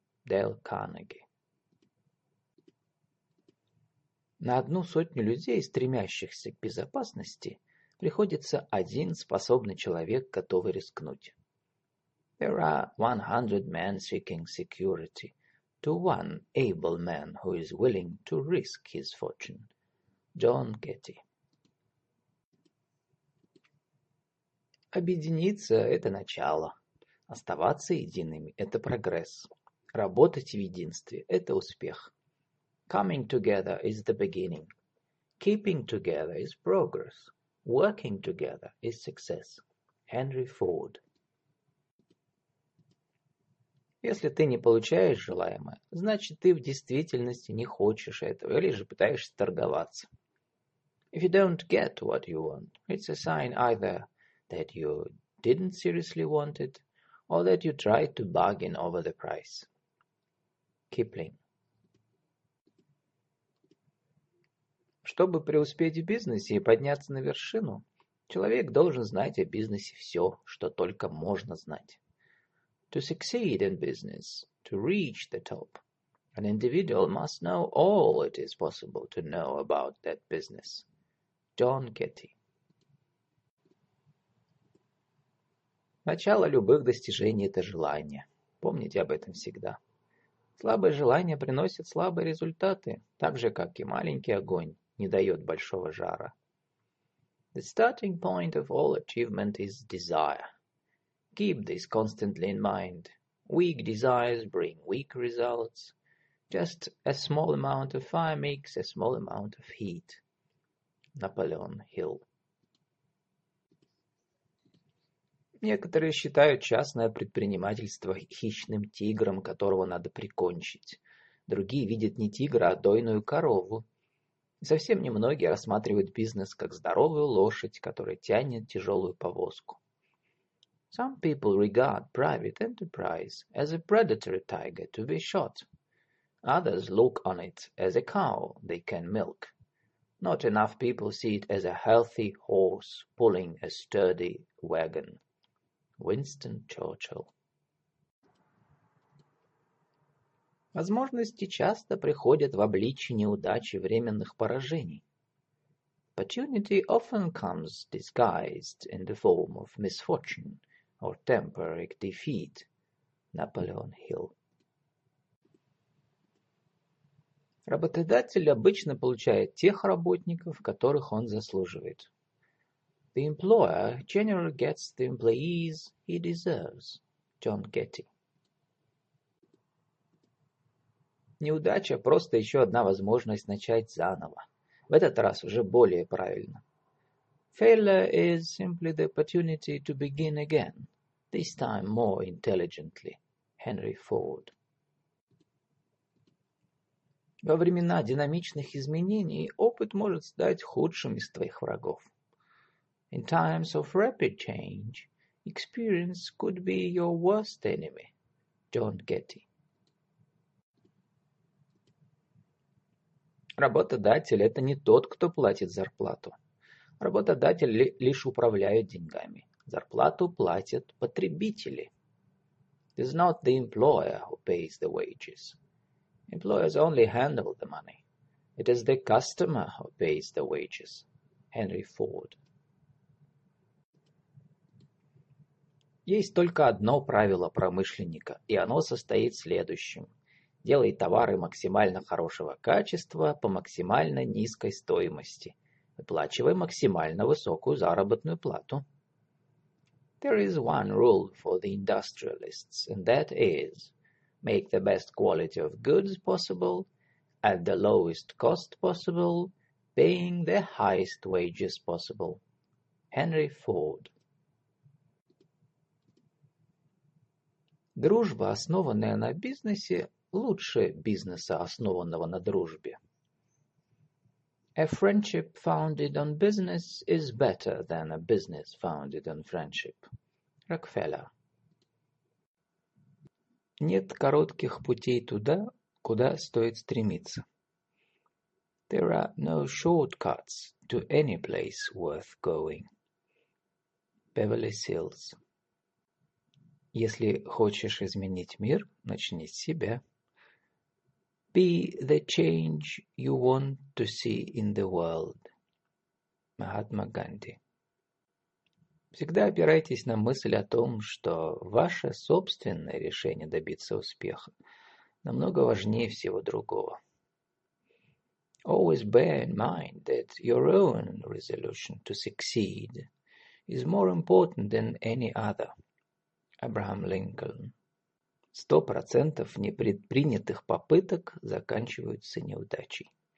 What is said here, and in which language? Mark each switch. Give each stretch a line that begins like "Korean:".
Russian: Дейл Карнеги. На одну сотню людей, стремящихся к безопасности, приходится один способный человек, готовый рискнуть.
English: There are 100 men seeking security to one able man who is willing to risk his fortune.
Russian: Джон Гетти. Объединиться — это начало. Оставаться едиными — это прогресс. Работать в единстве — это успех.
English: Coming together is the beginning. Keeping together is progress. Working together is success. Henry Ford.
Russian: Если ты не получаешь желаемое, значит, ты в действительности не хочешь этого или же пытаешься торговаться.
English: If you don't get what you want, it's a sign either that you didn't seriously want it or that you tried to bargain over the price. Kipling.
Russian: Чтобы преуспеть в бизнесе и подняться на вершину, человек должен знать о бизнесе все, что только можно знать.
English: To succeed in business, to reach the top, an individual must know all it is possible to know about that business.
Russian: Джон Гетти. Начало любых достижений — это желание. Помните об этом всегда. Слабое желание приносит слабые результаты, так же, как и маленький огонь не дает большого жара.
English: The starting point of all achievement is desire. Keep this constantly in mind. Weak desires bring weak results. Just a small amount of fire makes a small amount of heat. Napoleon Hill.
Russian: Некоторые считают частное предпринимательство хищным тигром, которого надо прикончить. Другие видят не тигра, а дойную корову. И совсем немногие рассматривают бизнес как здоровую лошадь, которая тянет тяжелую повозку.
English: Some people regard private enterprise as a predatory tiger to be shot. Others look on it as a cow they can milk. Not enough people see it as a healthy horse pulling a sturdy wagon.
Russian: Уинстон Черчилль. Возможности часто приходят в обличье неудачи, временных поражений.
English: Opportunity often comes disguised in the form of misfortune or temporary defeat.
Russian: Наполеон Хилл. Работодатель обычно получает тех работников, которых он заслуживает.
English: The employer generally gets the employees he deserves.
Russian: Джон Гетти. Неудача – просто еще одна возможность начать заново. В этот раз уже более правильно.
English: Failure is simply the opportunity to begin again, this time more intelligently. Henry Ford.
Russian: Во времена динамичных изменений опыт может стать худшим из твоих врагов.
English: In times of rapid change, experience could be your worst enemy.
Russian: Джон Гетти. Работодатель — это не тот, кто платит зарплату. Работодатель лишь управляет деньгами. Зарплату платят потребители.
English: It is not the employer who pays the wages. Employers only handle the money. It is the customer who pays the wages. Henry Ford.
Russian: Есть только одно правило промышленника, и оно состоит в следующем. Делай товары максимально хорошего качества по максимально низкой стоимости. Выплачивай максимально высокую заработную плату.
English: There is one rule for the industrialists, and that is, make the best quality of goods possible, at the lowest cost possible, paying the highest wages possible. Henry Ford.
Russian: Дружба, основанная на бизнесе, лучше бизнеса, основанного на дружбе.
English: A friendship founded on business is better than a business founded on friendship.
Russian: Рокфеллер. Нет коротких путей туда, куда стоит стремиться.
English: There are no shortcuts to any place worth going. Beverly Sills.
Russian: Если хочешь изменить мир, начни с себя.
English: Be the change you want to see in the world. Mahatma Gandhi.
Russian: Всегда опирайтесь на мысль о том, что ваше собственное решение добиться успеха намного важнее всего другого.
English: Always bear in mind that your own resolution to succeed is more important than any other. Abraham Lincoln.
Russian: 100% непредпринятых попыток заканчиваются неудачей.